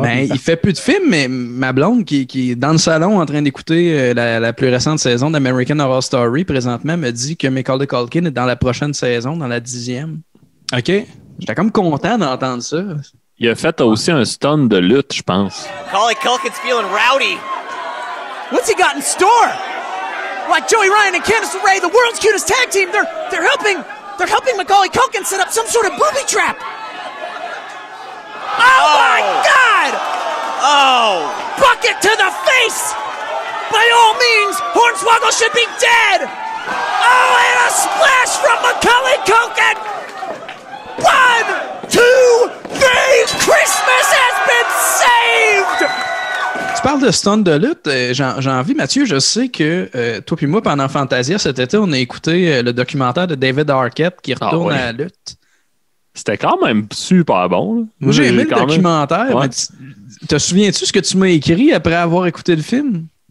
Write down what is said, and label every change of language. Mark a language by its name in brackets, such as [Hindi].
[French] Ben, il fait plus de films, mais ma blonde, qui est dans le salon en train d'écouter la plus récente saison d'American Horror Story, présentement, me dit que Michael Culkin est dans la prochaine saison, dans la 10e. OK. J'étais comme content d'entendre ça. Il a fait aussi un stunt de lutte, je pense. [English] Michael Culkin's feeling rowdy. What's he got in store? Like Joey Ryan and Candice LeRae, the world's cutest tag team. They're helping Macaulay Culkin set up some sort of booby trap. Oh my God! Oh! Bucket to the face! By all means, Hornswoggle should be dead! Oh, and a splash from Macaulay Culkin! 1, 2, 3! Christmas has been saved! [French] Tu parles de stunt de lutte, j'ai envie, Mathieu, je sais que toi puis moi, pendant Fantasia, cet été, on a écouté le documentaire de David Arquette qui retourne à la lutte. C'était quand même super bon. Moi, j'ai aimé le documentaire. Ouais. Te souviens-tu ce que tu m'as écrit après avoir écouté le film?